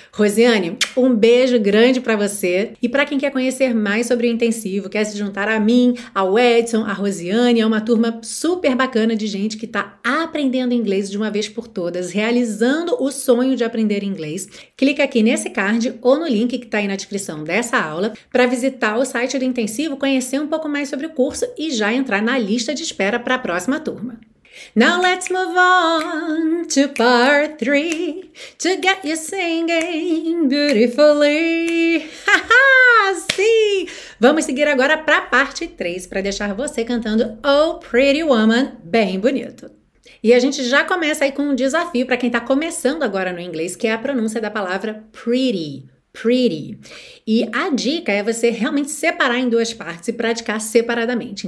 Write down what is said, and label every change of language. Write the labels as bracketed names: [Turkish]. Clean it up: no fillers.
[Portuguese] Rosiane, um beijo grande para você. E para quem quer conhecer mais sobre o intensivo, quer se juntar a mim, ao Edson, à Rosiane, é uma turma super bacana de gente que está aprendendo inglês de uma vez por todas, realizando o sonho de aprender inglês. Clica aqui nesse card ou no link que está aí na descrição dessa aula para visitar o site do Intensivo, conhecer um pouco mais sobre o curso e já entrar na lista de espera para a próxima turma. [English] Now let's move on to part three, to get you singing beautifully. [Portuguese] Haha, sim! Vamos seguir agora para a parte 3, para deixar você cantando Oh Pretty Woman bem bonito. E a gente já começa aí com um desafio para quem está começando agora no inglês, que é a pronúncia da palavra pretty. Pretty. E a dica é você realmente separar em duas partes e praticar separadamente.